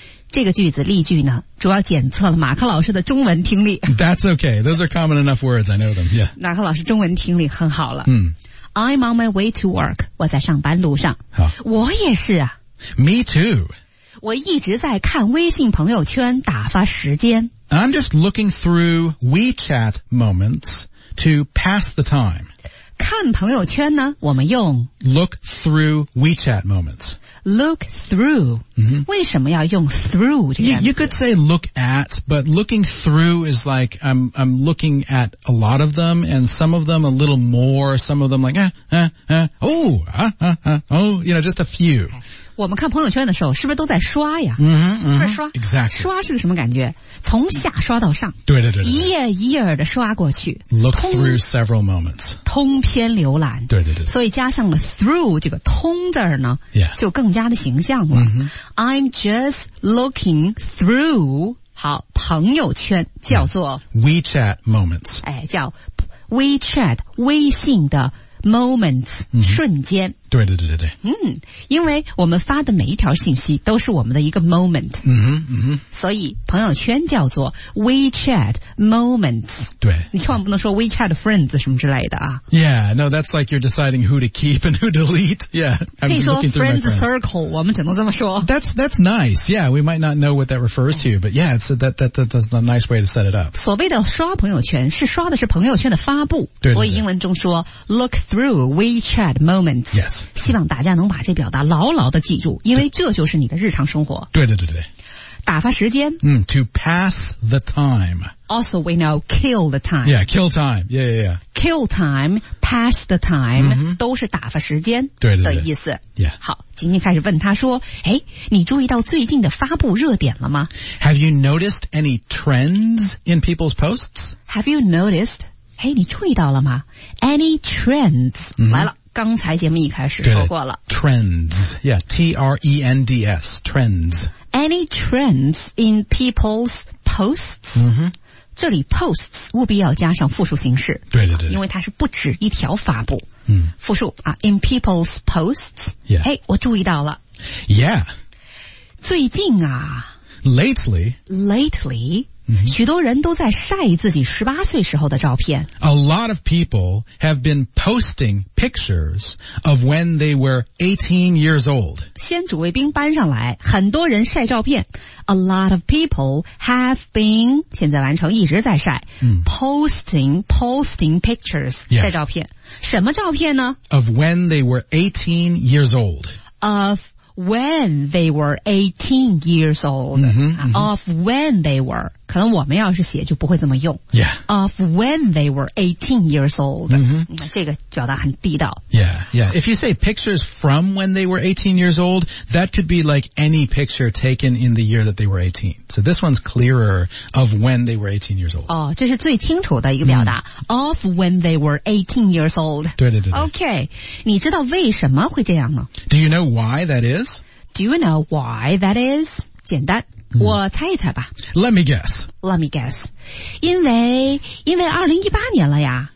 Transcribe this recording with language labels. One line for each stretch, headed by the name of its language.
Chinese: 这个句子例句呢主要检测了马克老师的中文听力。
English: That's okay. Those are common enough words. I know them. Yeah.
Chinese: 马克老师中文听力很好了。
English: I'm on my way to work.
Chinese: 我在上班路上。好。我也是啊。
English: Me too.
Chinese: 我一直在看微信朋友圈打发时间。
English: I'm just looking through WeChat moments to pass the time.
Chinese: 看朋友圈呢我们用
English: look through WeChat moments. Look through.、
Chinese: 为什么要用 through 这个样子
English: you could say look at, but looking through is like, I'm looking at a lot of them, and some of them a little more, some of them like, you know, just a few. Okay.
Chinese: 我们看朋友圈的时候是不是都在刷呀嗯嗯、刷
English: exactly.
Chinese: 刷是个什么感觉从下刷到上对对 对, 对一页一页的刷过去
English: look through several moments
Chinese: 通篇浏览对对 对, 对所以加上了 through 这个通字呢、 yeah. 就更加的形象了、
English: I'm just looking through
Chinese: 好朋友圈叫做、
English: WeChat moments
Chinese: 哎，叫 WeChat 微信的Moments,、瞬间。对对对对对。因为我们发的每一条信息都是我们的一个 moment。所以朋友圈叫做 WeChat Moments。对。你千万不能说 WeChat Friends 什么之类的啊。
English: Yeah, no, that's like you're deciding who to keep and who to delete. Yeah.
Chinese: 可以说 Friends Circle, 我们只能这么说。
English: That's nice. Yeah, we might not know what that refers to, but yeah, it's that's a nice way to set it up.
Chinese: 所谓的刷朋友圈是刷的是朋友圈的发布。对对对所以英文中说
English: look through WeChat moments. Yes.
Chinese: 希望大家能把这表达牢牢的记住因为这就是你的日常生活。对对对对。打发时间。
English: To pass the time. Also we know kill the time. Yeah, kill time. Yeah, yeah, yeah. Kill time, pass the time,
Chinese: 都是打发时间的意思。对对对 yeah. 好今天开始问他说诶你注意到最近的发布热点了吗
English: Have you noticed any trends in people's posts? Have you noticed...
Chinese: 哎你注意到了吗 ?
English: Any trends,、
Chinese: 来了刚才节目一开始说过了。
English: Trends, yeah, T-R-E-N-D-S, trends. Any trends in people's posts?、
Chinese: 这里 posts 务必要加上复数形式。对对对。因为它是不止一条发布。嗯。复数啊 ,
English: in people's posts. 哎、yeah.
Chinese: 我注意到了。 Yeah. 最近啊。
English: Lately. Lately.
Chinese: 许多人都在晒自己18岁时候的照片。
English: A lot of people have been posting pictures of when they were 18 years old.
Chinese: 先主卫兵搬上来，很多人晒照片。
English: A lot of people have been,
Chinese: 现在完成一直在晒、
English: posting pictures
Chinese: 晒、 yeah. 照片。什么照片呢
English: ?Of when they were 18 years old. Of... When they were 18 years old, of when they were,
Chinese: 可能我们要是写就不会这么用。 Yeah.
English: Of when they were 18 years old,、
Chinese: 这个表达很地道。 Yeah, yeah.
English: If you say pictures from when they were 18 years old, that could be like any picture taken in the year that they were 18. So this one's clearer of when they were 18 years old.
Chinese: 哦，这是最清楚的一个表达。
English: Of when they were 18 years old.
Chinese: 对对对对。 Okay. 你知道为什么会这样吗
English: Do you know why that is? Do you know why that is?
Chinese: 简单、我猜一猜吧。
English: Let me guess. Let me guess.
Chinese: 因为2018年了呀。